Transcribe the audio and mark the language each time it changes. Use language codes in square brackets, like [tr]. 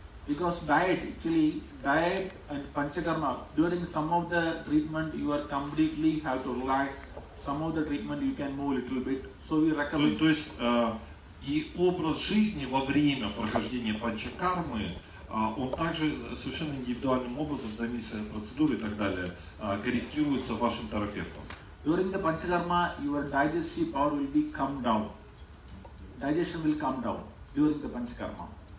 [en] Because diet, actually, diet and panchakarma, during some of the treatment you are completely have to relax, some of the treatment you can move a little bit, so we recommend. [ru] То есть, и образ жизни во время прохождения панчакармы, он также совершенно индивидуальным образом, в зависимости от процедуры и так далее, корректируется вашим терапевтом. [en] During the panchakarma, your digestive power will be come down. Digestion will come down during the panchakarma.